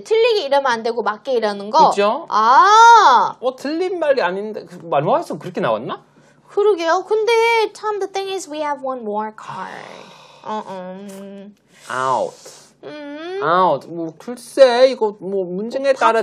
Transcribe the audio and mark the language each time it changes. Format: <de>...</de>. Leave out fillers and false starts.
<ko>틀리게 일하면 안 되고 맞게 일하는 거. 그죠? 아. 틀린 말이 아닌데 말로서 그렇게 나왔나? 그러게요. 근데</ko> <en>Tom, the thing is we have one more card. Out. Out.</en> <ko>뭐 글쎄 이거 뭐 문장에 따라</ko>